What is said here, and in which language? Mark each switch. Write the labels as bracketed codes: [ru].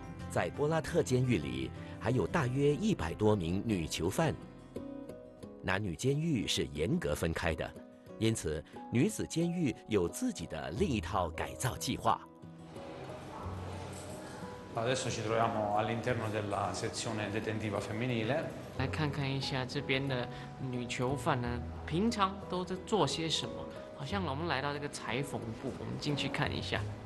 [zh] 在波拉特监狱里，还有大约100多名女囚犯。男女监狱是严格分开的，因此女子监狱有自己的另一套改造计划。 [it] Adesso ci troviamo all'interno della sezione detentiva femminile. [zh] 来看看一下这边的女囚犯呢，平常都在做些什么？好像我们来到这个裁缝部，我们进去看一下。